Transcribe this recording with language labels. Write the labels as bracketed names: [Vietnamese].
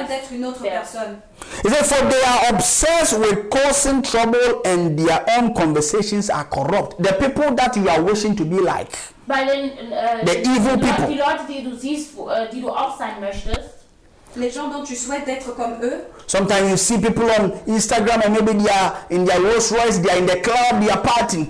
[English] Is it for they are obsessed with causing trouble and their own conversations are corrupt? The people that you are wishing to be like, the evil people, [German] die Leute, die du siehst, die du auch sein möchtest, [French] les gens dont tu souhaites être comme eux. [English] Sometimes you see people on Instagram and maybe they are in their Rolls Royce, they are in the club, they are partying.